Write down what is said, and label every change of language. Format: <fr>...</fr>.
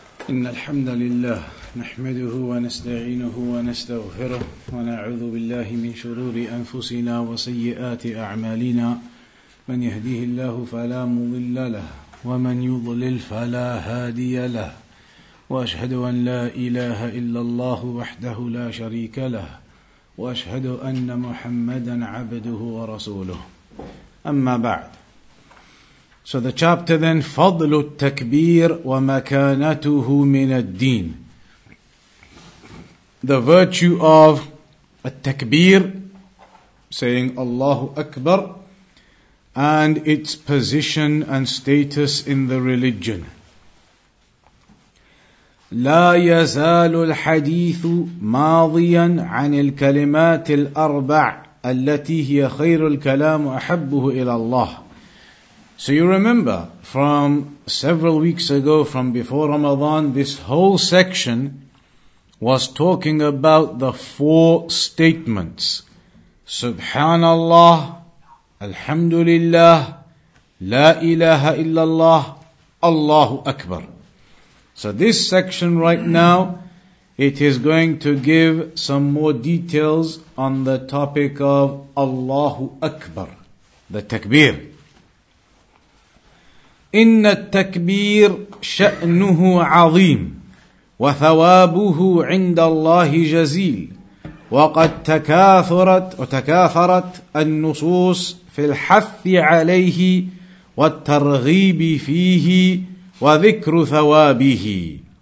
<ar>إن الحمد لله نحمده ونستعينه ونستغفره ونعوذ بالله من شرور أنفسنا وسيئات أعمالنا من يهديه الله فلا مضل له ومن يضلل فلا هادي له وأشهد أن لا إله إلا الله وحده لا شريك له وأشهد أن محمدا عبده ورسوله أما بعد.</ar> <en>So the chapter then,</en> <ar>فضل التكبير ومكانته من الدين.</ar> <en>The virtue of التكبير, saying Allahu Akbar, and its position and status in the religion.</en> <ar>لا يزال الحديث ماضيا عن الكلمات الأربع التي هي خير الكلام أحبه إلى الله.</ar> <en>So you remember from several weeks ago, from before Ramadan, this whole section was talking about the four statements. Subhanallah, Alhamdulillah, La ilaha illallah, Allahu Akbar. So this section right now, it is going to give some more details on the topic of Allahu Akbar, the takbir.</en> <ar>إن التكبير شأنه عظيم وثوابه عند الله جزيل وقد تكاثرت النصوص في الحث عليه والترغيب فيه وذكر ثوابه.</ar>